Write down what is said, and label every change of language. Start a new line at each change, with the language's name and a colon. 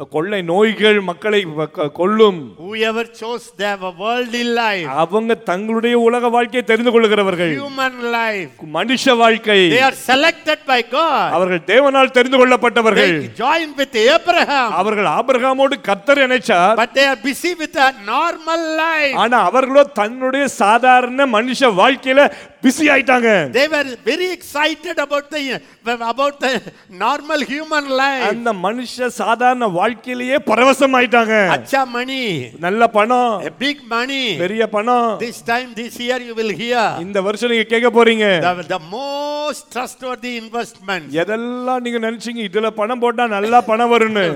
Tamil: கொள்ளை நோய்கள் மக்களை கொல்லும்
English: whoever chose their worldly life
Tamil: அவங்க தங்களுடைய உலக வாழ்க்கையை தெரிந்து கொள்ளுகிறவர்கள்
English: human life
Tamil: மனித வாழ்க்கை
English: they are selected by god
Tamil: அவர்கள் தேவனால் தெரிந்து கொள்ளப்பட்டவர்கள்
English: they join with abraham
Tamil: அவர்கள் ஆபிரகாமோடு கர்த்தர் இணைச்சார்
English: but they are busy with a normal life
Tamil: ஆனா அவர்களோ தன்னுடைய சாதாரண மனித வாழ்க்கையில busy ஆயிட்டாங்க
English: they were very excited about the normal human life
Tamil: அந்த மனுஷ சாதாரண வாழ்க்கையிலேயே பரவசம் ஆயிட்டாங்க
Hindi: அச்சா
English: money
Tamil: நல்ல பணம்
English: a big money
Tamil: பெரிய பணம்
English: this time this year you will hear
Tamil: இந்த வருஷம் நீங்க கேட்க போறீங்க
English: the most trustworthy investment
Tamil: எதெல்லாம் நீங்க நினைச்சீங்க இதுல பணம் போட்டா நல்லா பணம் வரும்னு